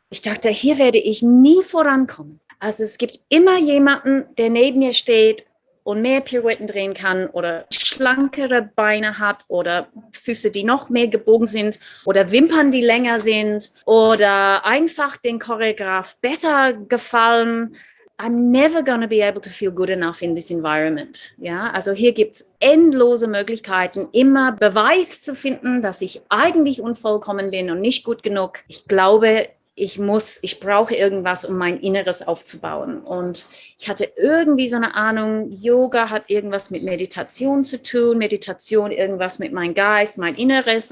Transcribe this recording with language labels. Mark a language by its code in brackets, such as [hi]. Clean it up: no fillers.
[de] Ich dachte, hier werde ich nie vorankommen. Also es gibt immer jemanden, der neben mir steht und mehr Pirouetten drehen kann oder schlankere Beine hat oder Füße, die noch mehr gebogen sind oder Wimpern, die länger sind oder einfach den Choreograf besser gefallen. [en] I'm never gonna be able to feel good enough in this environment. [de] Ja, also hier gibt es endlose Möglichkeiten, immer Beweis zu finden, dass ich eigentlich unvollkommen bin und nicht gut genug. Ich glaube, ich brauche irgendwas, um mein Inneres aufzubauen. Und ich hatte irgendwie so eine Ahnung, Yoga hat irgendwas mit Meditation zu tun, Meditation irgendwas mit meinem Geist, mein Inneres.